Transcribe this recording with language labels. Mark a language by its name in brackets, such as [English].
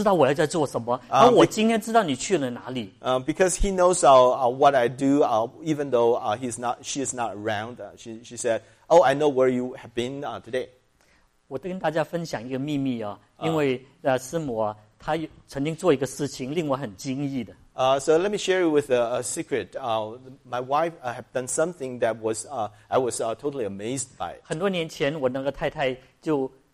[Chinese] 因为我做什么，他没有看就知道我要在做什么。而我今天知道你去了哪里。 [English] Because he knows what I do, even though she is not around. She said, "Oh, I know where you have been today." [Chinese] 我跟大家分享一个秘密啊，因为师母啊，她曾经做一个事情令我很惊异的。 [English] So let me share with a secret. My wife have done something that was I was totally amazed by. [Chinese] 很多年前，我那个太太就。